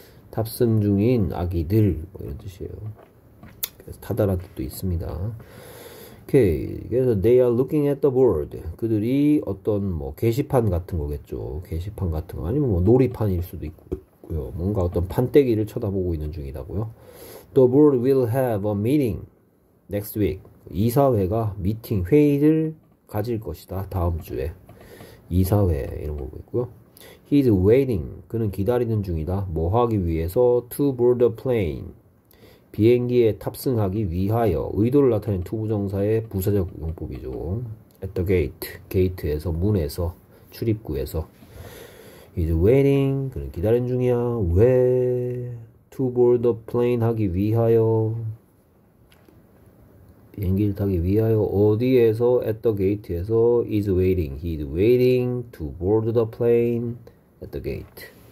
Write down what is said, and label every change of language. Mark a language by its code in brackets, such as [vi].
[ko] 탑승 중인 아기들, 뭐 이런 뜻이에요. 그래서 타다란 뜻도 있습니다. 오케이. 그래서 [en] they are looking at the board. [ko] 그들이 어떤, 뭐, 게시판 같은 거겠죠. 게시판 같은 거. 아니면 뭐, 놀이판일 수도 있고요. 뭔가 어떤 판때기를 쳐다보고 있는 중이다고요. [en] The board will have a meeting next week. [ko] 이사회가 미팅, 회의를 가질 것이다. 다음 주에. 이사회 이런 거 보고 있고요. [en] He's waiting. [ko] 그는 기다리는 중이다. 뭐 하기 위해서? [en] To board a plane. [ko] 비행기에 탑승하기 위하여. 의도를 나타낸 to 부정사의 부사적 용법이죠. [en] At the gate. [ko] 게이트에서, 문에서, 출입구에서. [en] He's waiting. [ko] 그는 기다리는 중이야. 왜? [en] To board a plane [ko] 하기 위하여. 비행기를 타기 위하여 어디에서? [en] At the gate [ko] 에서 [en] is waiting. He is waiting to board the plane at the gate.